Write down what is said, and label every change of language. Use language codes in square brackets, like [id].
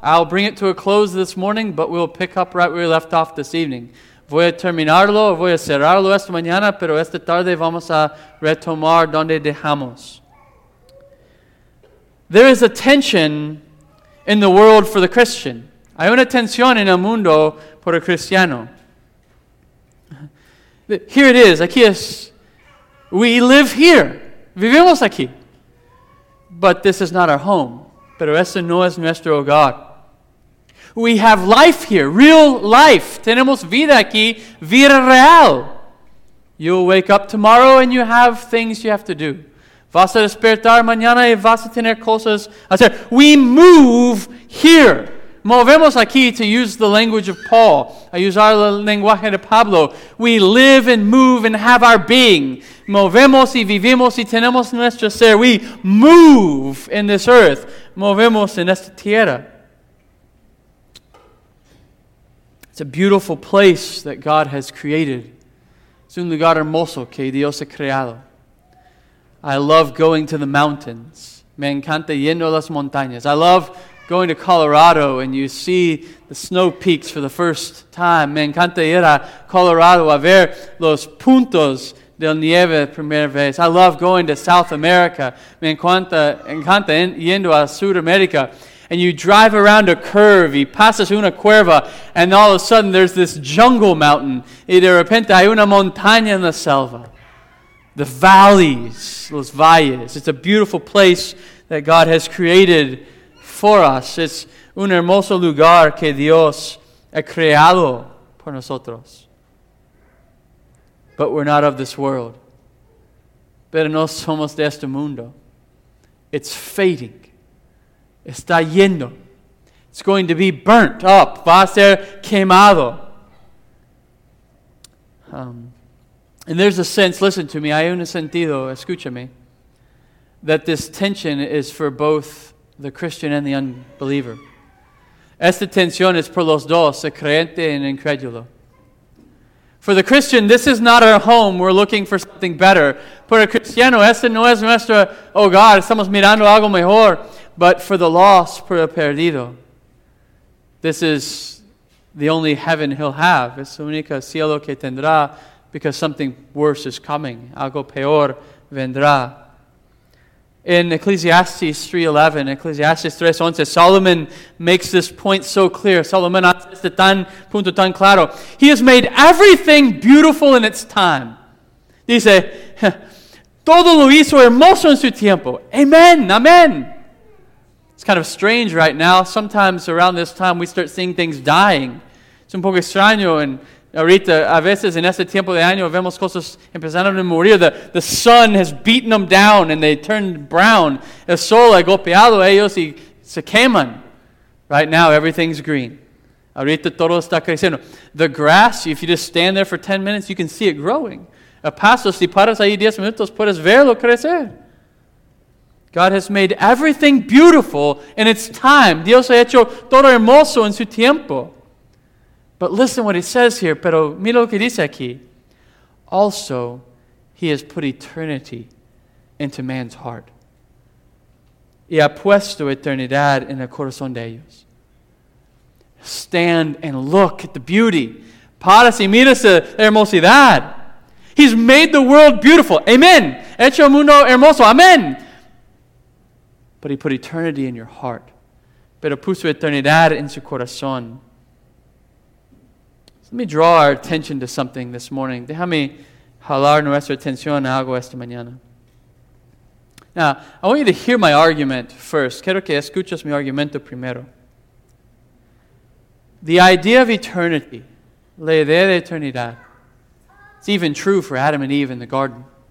[en] I'll bring it to a close this morning, but we'll pick up right where we left off this evening. [es] Voy a terminarlo, voy a cerrarlo esta mañana, pero esta tarde vamos a retomar donde dejamos. [en] There is a tension in the world for the Christian. [es] Hay una tensión en el mundo por el cristiano. [en] Here it is. [es] Aquí es. [en] We live here. [es] Vivimos aquí. [en] But this is not our home. [es] Pero este no es nuestro hogar. [en] We have life here, real life. [es] Tenemos vida aquí, vida real. [en] You'll wake up tomorrow and you have things you have to do. [es] Vas a despertar mañana y vas a tener cosas. [en] I said, we move here. [es] Movemos aquí, [en] to use the language of Paul. I use our [es] lenguaje de Pablo. [en] We live and move and have our being. [es] Movemos y vivimos y tenemos nuestro ser. [en] We move in this earth. [es] Movemos en esta tierra. [en] It's a beautiful place that God has created. [es] Es un lugar hermoso que Dios ha creado. [en] I love going to the mountains. [es] Me encanta yendo a las montañas. [en] I love going to Colorado and you see the snow peaks for the first time. [es] Me encanta ir a Colorado a ver los puntos del nieve primera vez. [en] I love going to South America. [es] Me encanta yendo a Sudamérica. [en] And you drive around a curve, [es] y pasas una cuerva, [en] and all of a sudden there's this jungle mountain. [es] Y de repente hay una montaña en la selva. [en] The valleys, [es] los valles. [en] It's a beautiful place that God has created for us. [es] It's un hermoso lugar que Dios ha creado por nosotros. [en] But we're not of this world. [es] Pero no somos de este mundo. [en] It's fading. [es] Está yendo. [en] It's going to be burnt up. [es] Va a ser quemado. [en] And there's a sense, listen to me, [es] hay un sentido, escúchame, [en] that this tension is for both the Christian and the unbeliever. [es] Esta tensión es por los dos, el creyente y el incrédulo. [en] For the Christian, this is not our home. We're looking for something better. [es] Por el cristiano, este no es nuestro hogar. Estamos mirando algo mejor. [en] But for the lost, [es] por el perdido, [en] this is the only heaven he'll have. [es] Es el único cielo que tendrá, [en] because something worse is coming. [es] Algo peor vendrá. [en] In Ecclesiastes 3:11, Solomon makes this point so clear. [es] Solomon hace este punto tan claro. [en] He has made everything beautiful in its time. [es] Dice, todo lo hizo hermoso en su tiempo. [en] Amen, amen. It's kind of strange right now. Sometimes around this time we start seeing things dying. [es] Es un poco extraño. And ahorita, a veces en este tiempo de año, vemos cosas empezando a morir. [en] The sun has beaten them down and they turned brown. [es] El sol ha golpeado ellos y se queman. [en] Right now, everything's green. [es] Ahorita todo está creciendo. [en] The grass, if you just stand there for 10 minutes, you can see it growing. [es] A pasto, si paras ahí 10 minutos, puedes verlo crecer. [en] God has made everything beautiful in its time. [es] Dios ha hecho todo hermoso en su tiempo. [en] But listen what he says here. [es] Pero mira lo que dice aquí. [en] Also, he has put eternity into man's heart. [es] Y ha puesto eternidad en el corazón de ellos. [en] Stand and look at the beauty. [es] Paras y miras la hermosidad. [en] He's made the world beautiful. Amen. [es] Hecho mundo hermoso. [en] Amen. But he put eternity in your heart. [es] Pero puso eternidad en su corazón. [en] Let me draw our attention to something this morning. [es] Déjame jalar nuestra atención a algo esta mañana. [en] Now, I want you to hear my argument first. [es] Quiero que escuches mi argumento primero. [en] The idea of eternity, [es] la idea de eternidad, [en] it's even true for Adam and Eve in the garden.